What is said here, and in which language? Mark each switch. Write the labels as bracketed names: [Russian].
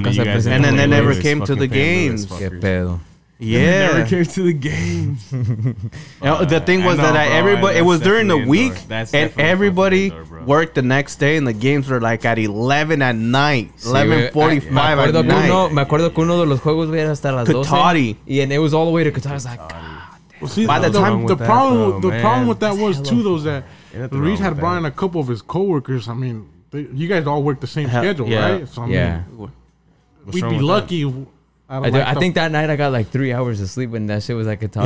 [English] And then they never came to the games. Yeah. Never came to the games. The thing was that everybody, it was during the week, and everybody worked the next day, and the games were like at 11 at night, 11:45 at night. [Spanish] Me acuerdo que uno de los juegos era hasta las 12. [English] Cutati. And it was all the way to Cutati. I was like, God. Well, see, the problem with that was the Reese had brought in a couple of his coworkers. I mean, you guys all work the same schedule, right? So, I mean, we'd be lucky. I think that night I got like 3 hours of sleep when that shit was like a time.